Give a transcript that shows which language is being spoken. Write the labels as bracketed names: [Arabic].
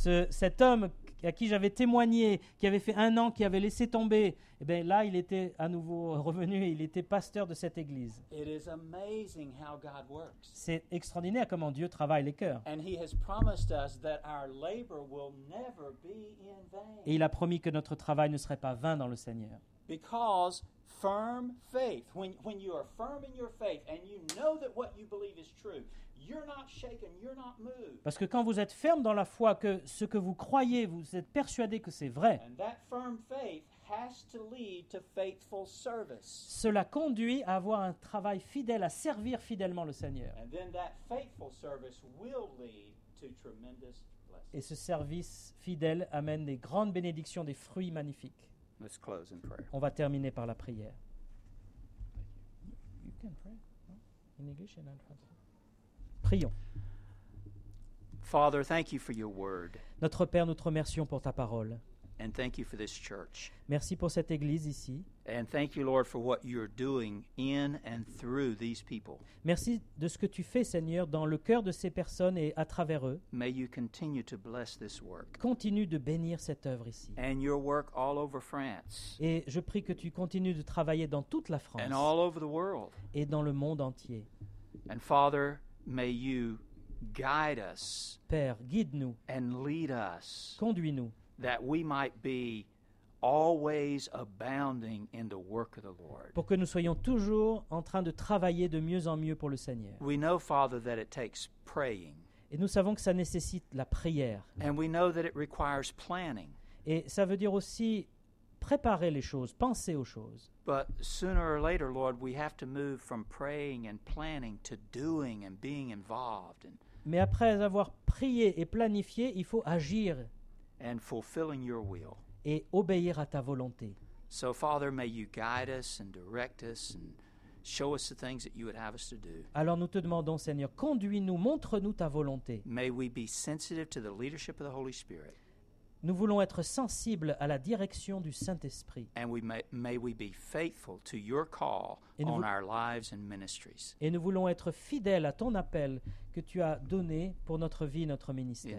[French] Cet homme à qui j'avais témoigné, qui avait fait un an, qui avait laissé tomber, eh bien là, il était à nouveau revenu et il était pasteur de cette église. [English] It is amazing how God works. [French] C'est extraordinaire comment Dieu travaille les cœurs. [English] And he has promised us that our labor will never be in vain. [French] Et il a promis que notre travail ne serait pas vain dans le Seigneur. [English] Because firm faith, when you are firm in your faith and you know that what you believe is true, you're not shaken, you're not moved. [French] Parce que quand vous êtes ferme dans la foi, que ce que vous croyez, vous êtes persuadé que c'est vrai. [English] And that firm faith has to lead to faithful service. [French] Cela conduit à avoir un travail fidèle, à servir fidèlement le Seigneur. [English] And then that faithful service will lead to tremendous blessings. [French] Et ce service fidèle amène des grandes bénédictions, des fruits magnifiques. [English] Let's close in prayer. [French] On va terminer par la prière. [English] You can pray, no? In English and in French. [French] Prions. [English] Father, thank you for your word. [French] Notre Père, nous te remercions pour ta parole. [English] And thank you for this church. [French] Merci pour cette église ici. [English] And thank you, Lord, for what you're doing in and through these people. [French] Merci de ce que tu fais, Seigneur, dans le cœur de ces personnes et à travers eux. [English] May you continue to bless this work. [French] Continue de bénir cette œuvre ici. [English] And your work all over France. [French] Et je prie que tu continues de travailler dans toute la France. [English] And all over the world. [French] Et dans le monde entier. [English] And Father, may you guide us. [French] Père, guide-nous. [English] And lead us. [French] Conduis-nous. [English] That we might be always abounding in the work of the Lord. [French] Pour que nous soyons toujours en train de travailler de mieux en mieux pour le Seigneur. [English] We know, Father, that it takes praying. [French] Et nous savons que ça nécessite la prière. [English] And we know that it requires planning. [French] Et ça veut dire aussi préparer les choses, penser aux choses. [English] But sooner or later, Lord, we have to move from praying and planning to doing and being involved. And [French] mais après avoir prié et planifié, il faut agir. [English] And fulfilling your will. [French] Et obéir à ta volonté. [English] So Father, may you guide us and direct us and show us the things that you would have us to do. [French] Alors nous te demandons, Seigneur, conduis-nous, montre-nous ta volonté. [English] May we be sensitive to the leadership of the Holy Spirit. [French] Nous voulons être sensibles à la direction du Saint-Esprit. [English] And may we be faithful to your call on our lives and ministries. [French] Et nous voulons être fidèles à ton appel que tu as donné pour notre vie et notre ministère.